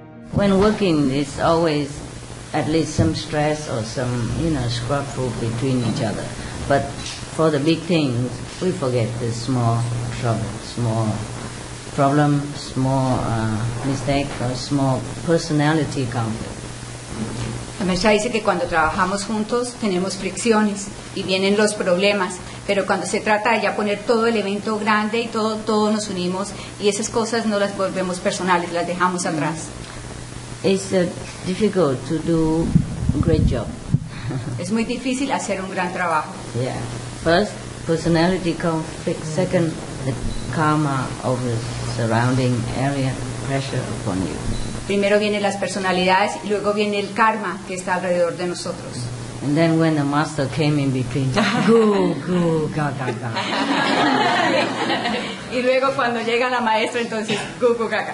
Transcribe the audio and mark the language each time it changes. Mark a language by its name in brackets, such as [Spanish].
[English] When working, it's always at least some stress or some, you know, scruffle between each other. But for the big things, we forget the small trouble, small problem, small mistake, or small personality conflict. [Spanish] La maestra dice que cuando trabajamos juntos tenemos fricciones y vienen los problemas, pero cuando se trata de ya poner todo el evento grande y todo nos unimos y esas cosas no las volvemos personales, las dejamos atrás. [English] It's difficult to do a great job. [Spanish] Es muy difícil hacer un gran trabajo. [English] Yeah. First, personality conflict. Second, the karma of the surrounding area pressure upon you. [Spanish] Primero vienen las personalidades y luego viene el karma que está alrededor de nosotros. [English] And then when the master came in between, go, go, go, go, go. [Spanish] Y luego cuando llega la maestra, entonces, [English] go, go, go, go.